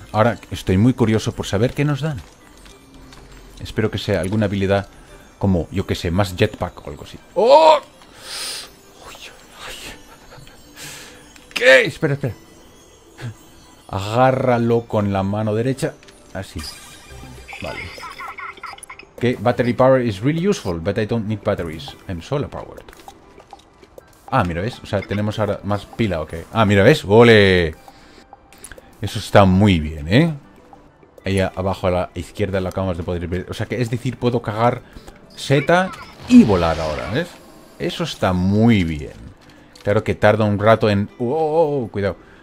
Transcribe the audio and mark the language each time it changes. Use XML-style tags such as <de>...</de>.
<es>Ahora estoy muy curioso por saber qué nos dan. Espero que sea alguna habilidad como, yo que sé, más jetpack o algo así. ¡Oh! ¿Qué? Espera, espera. Agárralo con la mano derecha. Así. Vale. Que okay.</es> <en>Battery power is really useful, but I don't need batteries. I'm solar powered.</en> <es>Ah, mira, ¿ves? O sea, tenemos ahora más pila, ¿ok? Ah, mira, ¿ves? ¡Ole! Eso está muy bien, ¿eh? Ahí abajo a la izquierda lo acabamos de poder ver. O sea, que es decir, puedo cagar Z y volar ahora, ¿ves? Eso está muy bien. Claro que tarda un rato en... ¡Oh! Cuidado.</es>